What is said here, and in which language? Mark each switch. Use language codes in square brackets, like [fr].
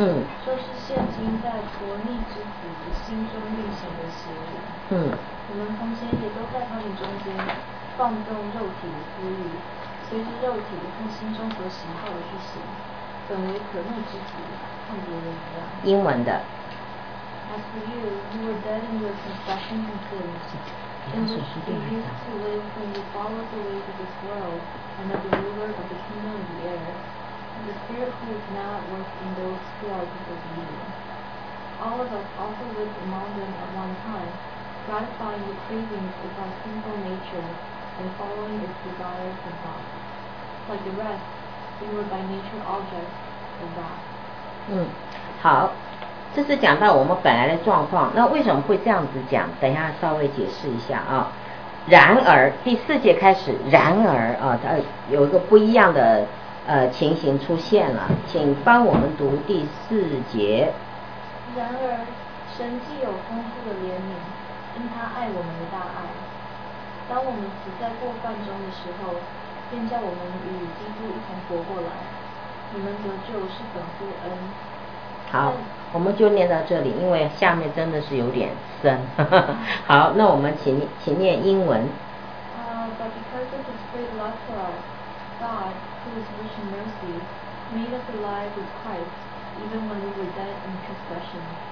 [zh] 就是现今在夺逆之子的心中运行的邪灵。我们从前也都在他们中间放纵肉体的私欲，随着肉体和心中所喜好的去行，本为可怒之子，和别人一样。英文的。 [en] As for you, you were dead in your transgressions and sins, in which you used to live when you followed the ways of this world and of the ruler of the kingdom of the air, and the spirit who is now at work in those who are disobedient. All of us also lived among them at one time. Gratifying the cravings of our sinful nature and following its desires and thoughts. Like the rest, we were by nature objects of wrath. [zh] 好，这是讲到我们本来的状况。那为什么会这样子讲？等一下稍微解释一下啊。然而，第四节开始，然而啊，它有一个不一样的情形出现了。请帮我们读第四节。然而，神既有丰富的怜悯。因他爱我们的大爱，当我们死在过犯中的时候，便叫我们与基督一同活过来。你们得救是本乎恩。好，我们就念到这里，因为下面真的是有点深。好，那我们请念英文。 [en] But because of his great love for us, God, who is rich in mercy, made us alive with Christ, even when we were dead in transgressions.